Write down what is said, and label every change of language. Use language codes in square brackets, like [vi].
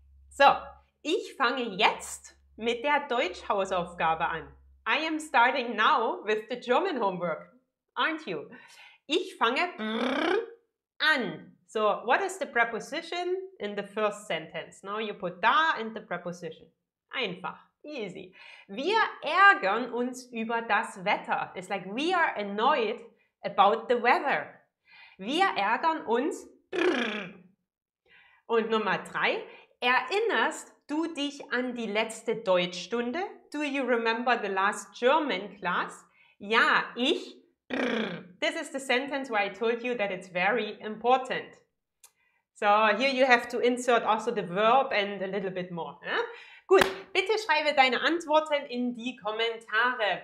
[de] So, ich fange jetzt mit der Deutsch-Hausaufgabe an. [en] I am starting now with the German homework. Aren't you? [de] Ich fange an. [en] So, what is the preposition in the first sentence? Now you put da in the preposition. Einfach. Easy. [de] Wir ärgern uns über das Wetter. [en] It's like we are annoyed about the weather. [de] Wir ärgern uns. Und Nummer 3. Erinnerst du dich an die letzte Deutschstunde? [en] Do you remember the last German class? [de] Ja, ich. [en] This is the sentence where I told you that it's very important. So, here you have to insert also the verb and a little bit more. Eh? [de] Gut, bitte schreibe deine Antworten in die Kommentare.